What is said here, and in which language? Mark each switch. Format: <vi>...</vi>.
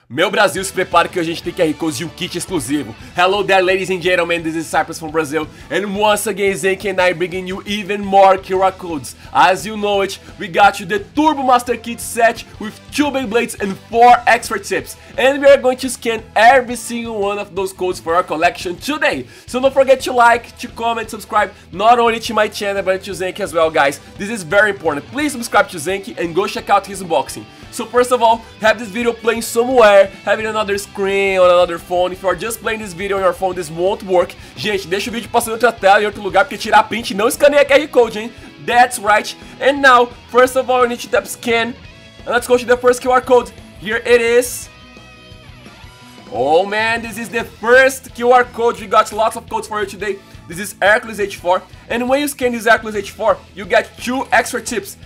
<pt>Meu Brasil, se prepare que hoje a gente tem QR Code e um kit exclusivo.</pt> <en>Hello there, ladies and gentlemen, this is Cyprus from Brazil. And once again, Zeke and I bringing you even more QR Codes. As you know it, we got you the Turbo Master Kit set with 2 Beyblades and 4 expert tips. And we are going to scan every single one of those codes for our collection today. So don't forget to like, to comment, subscribe, not only to my channel, but to Zeke as well, guys. This is very important. Please subscribe to Zeke and go check out his unboxing. So first of all, have this video playing somewhere, have it on another screen, on another phone. If you are just playing this video on your phone, this won't work.</en> <pt>Gente, deixa o vídeo passando outra tela em outro lugar, porque tirar print não escaneia QR Code, hein?</pt> <en>That's right. And now, first of all, you need to tap scan. And let's go to the first QR Code. Here it is. Oh man, this is the first QR Code. We got lots of codes for you today. This is Hercules H4. And when you scan this Hercules H4, you get 2 extra tips.</en>